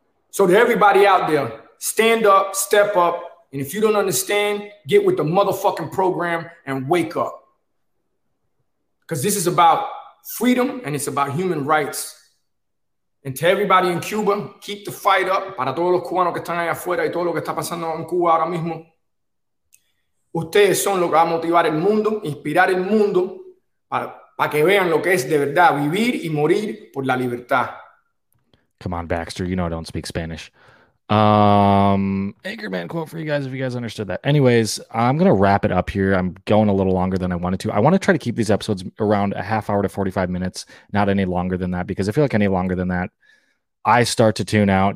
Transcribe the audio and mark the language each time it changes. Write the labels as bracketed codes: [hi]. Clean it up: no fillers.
[en] So to everybody out there, stand up, step up. And if you don't understand, get with the motherfucking program and wake up. Because this is about freedom and it's about human rights. And to everybody in Cuba, keep the fight up. [es] Para todos los cubanos que están allá afuera y todo lo que está pasando en Cuba ahora mismo. Ustedes son lo que va a motivar el mundo, inspirar el mundo para que vean lo que es de verdad vivir y morir por la libertad. [en] Come on, Baxter. You know I don't speak Spanish. Anchorman quote for you guys if you guys understood that. Anyways, I'm going to wrap it up here. I'm going a little longer than I wanted to. I want to try to keep these episodes around a half hour to 45 minutes, not any longer than that, because I feel like any longer than that, I start to tune out.